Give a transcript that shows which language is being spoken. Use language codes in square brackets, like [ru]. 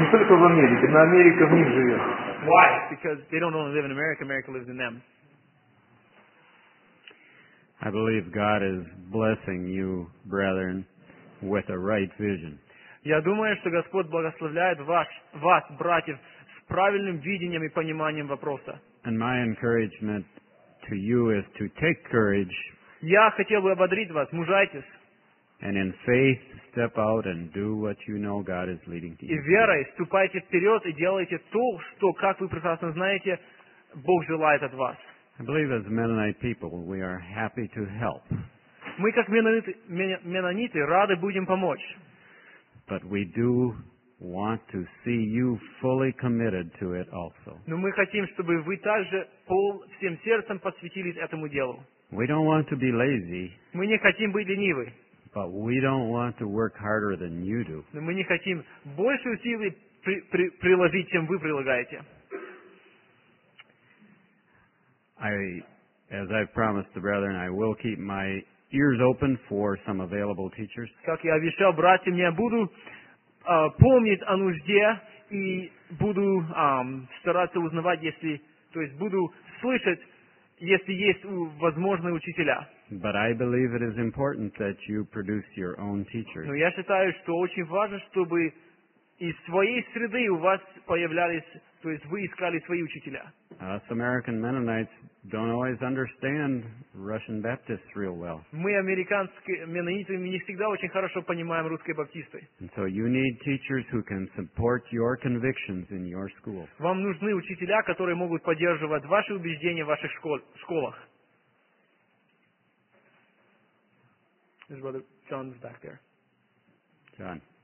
[en] Why? Because they don't only live in America, America lives in them. I believe God is blessing you, brethren, with a right vision. [ru] Я думаю, что Господь благословляет вас, братьев, с правильным видением и пониманием вопроса. [en] And my encouragement to you is to take courage. [ru] Я хотел бы ободрить вас, мужайтесь. [en] And in faith, step out and do what you know God is leading to you. [ru] И верой ступайте вперед и делайте то, что, как вы прекрасно знаете, Бог желает от вас. [en] I believe as Mennonite people, we are happy to help. [ru] Мы как Менониты рады будем помочь. [en] But we do want to see you fully committed to it also. [ru] Но мы хотим, чтобы вы также всем сердцем посвятились этому делу. [en] We don't want to be lazy. [ru] Мы не хотим быть ленивы. [en] But we don't want to work harder than you do. [ru] Но мы не хотим больше усилий приложить, чем вы прилагаете. [en] As I've promised the brethren, I will keep my ears open for some available teachers. [ru] Как я обещал братьям, я буду помнить о нужде и буду стараться узнавать, если, то есть буду слышать, если есть возможные учителя. [en] But I believe it is important that you produce your own teachers. [ru] Но я считаю, что очень важно, чтобы из своей среды у вас появлялись, то есть вы искали свои учителя. [en] Us American Mennonites don't always understand Russian Baptists real well. [ru] Мы американские меннониты не всегда очень хорошо понимаем русские баптисты. [en] And so you need teachers who can support your convictions in your school. [ru] Вам нужны учителя, которые могут поддерживать ваши убеждения в ваших школах. [en] His brother John's back there. John.